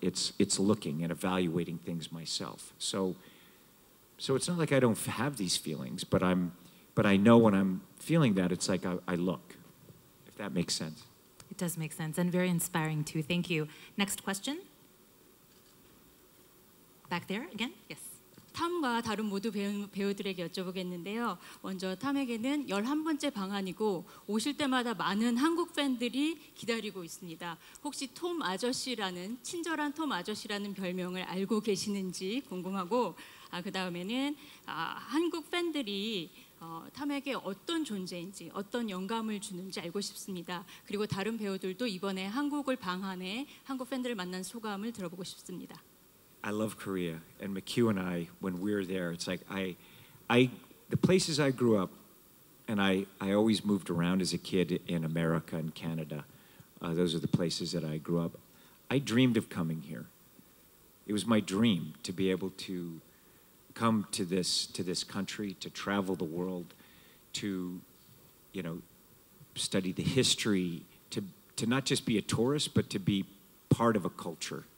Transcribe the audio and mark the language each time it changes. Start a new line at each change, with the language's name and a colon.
English: It's looking and evaluating things myself. So it's not like I don't have these feelings, but I know when I'm feeling that, it's like I look, if that makes sense. It does make sense, and very inspiring too. Thank you. Next question. Back there again, yes.
Korean: 탐과 다른 모두 배우들에게 여쭤보겠는데요. 먼저 탐에게는 11번째 방한이고 오실 때마다 많은 한국 팬들이 기다리고 있습니다. 혹시 톰 아저씨라는 친절한 톰 아저씨라는 별명을 알고 계시는지 궁금하고 그 다음에는 한국 팬들이 탐에게 어떤 존재인지 어떤 영감을 주는지 알고 싶습니다. 그리고 다른 배우들도 이번에 한국을 방한해 한국 팬들을 만난 소감을 들어보고 싶습니다.
English: I love Korea, and McHugh and I, when we were there, it's like the places I grew up, and I always moved around as a kid in America and Canada. Those are the places that I grew up. I dreamed of coming here. It was my dream to be able to come to this country, to travel the world, to, you know, study the history, to not just be a tourist, but to be part of a culture.